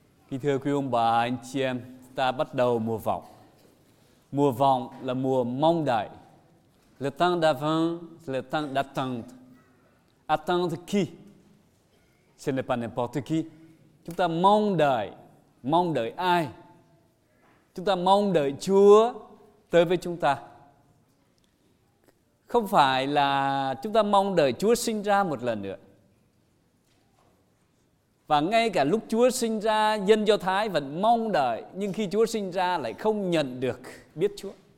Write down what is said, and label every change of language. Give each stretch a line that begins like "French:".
Vietnamese: Kính thưa quý ông bà, anh chị em, ta bắt đầu mùa vọng. Mùa vọng là mùa mong đợi.
French: Le temps d'avant, le temps d'attente. Attendre qui? Ce n'est pas n'importe qui.
Vietnamese: Chúng ta mong đợi ai? Chúng ta mong đợi Chúa tới với chúng ta. Không phải là chúng ta mong đợi Chúa sinh ra một lần nữa. Và ngay cả lúc Chúa sinh ra, dân Do Thái vẫn mong đợi, nhưng khi Chúa sinh ra lại không nhận được biết Chúa.